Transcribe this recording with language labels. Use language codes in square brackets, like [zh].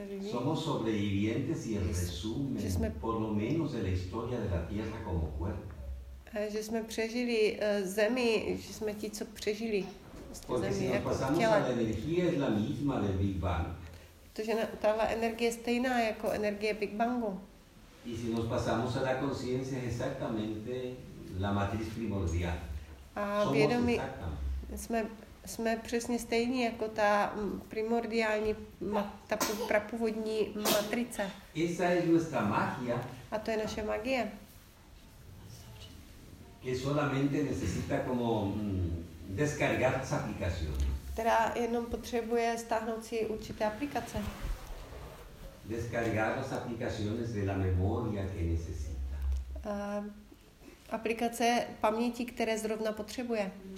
[es] Somos sobrevivientes y el resumen, por lo menos, de la historia de la Tierra como cuerpo. [cs] Že jsme přežili zemi, že jsme ti, co přežili zemi jako těla. [es] La energía es la misma del Big Bang. [cs] Protože tahle energie je stejná jako energie Big Bangu. [es] Y si nos pasamos a la conciencia es exactamente la matriz primordial. [cs] A vědomí, jsme přesně stejní jako ta primordiální, ta prapůvodní matrice. [es] Esa es nuestra magia. [cs] A to je naše magie. [es] Que solamente necesita como descargar esa aplicación. [cs] Která jenom potřebuje stáhnout si určité aplikace. [es] Descargar las aplicaciones de la memoria que necesita. [cs] Aplikace paměti, které zrovna potřebuje.